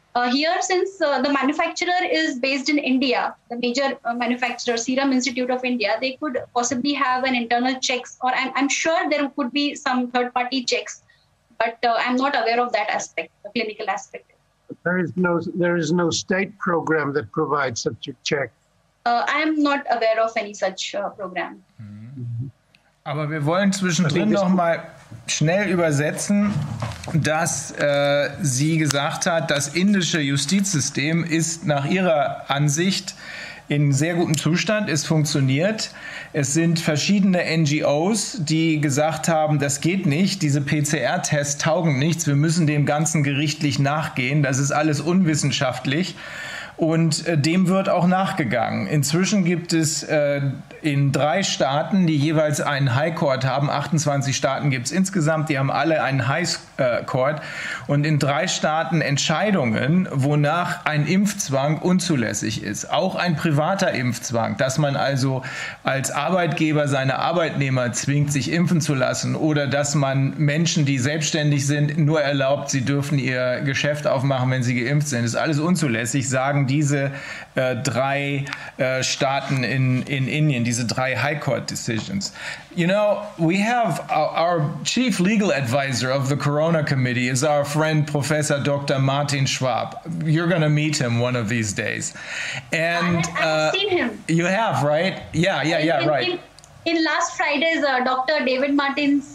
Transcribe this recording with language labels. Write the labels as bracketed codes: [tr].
[en] Here, since the manufacturer is based in India, the major manufacturer, Serum Institute of India, they could possibly have an internal checks, or I'm sure there could be some third-party checks, but I'm not aware of that aspect, the clinical aspect. There is no state program that provides such a check. I am not aware of any such program. Mm-hmm. [de] Aber wir wollen zwischendrin noch mal schnell übersetzen, dass sie gesagt hat, das indische Justizsystem ist nach ihrer Ansicht in sehr gutem Zustand, es funktioniert. Es sind verschiedene NGOs, die gesagt haben, das geht nicht, diese PCR-Tests taugen nichts, wir müssen dem Ganzen gerichtlich nachgehen, das ist alles unwissenschaftlich. Und dem wird auch nachgegangen. Inzwischen gibt es in 3 Staaten, die jeweils einen High Court haben, 28 Staaten gibt es insgesamt, die haben alle einen High Court, und in 3 Staaten Entscheidungen, wonach ein Impfzwang unzulässig ist. Auch ein privater Impfzwang, dass man also als Arbeitgeber seine Arbeitnehmer zwingt, sich impfen zu lassen, oder dass man Menschen, die selbstständig sind, nur erlaubt, sie dürfen ihr Geschäft aufmachen, wenn sie geimpft sind. Das ist alles unzulässig, sagen diese 3 Staaten in Indien, diese 3 High Court Decisions. [en] You know, we have our chief legal advisor of the Corona Committee is our friend Professor Dr. Martin Schwab. You're going to meet him one of these days. And I've seen him. You have, right? Yeah, right. In last Friday's Dr. David Martin's...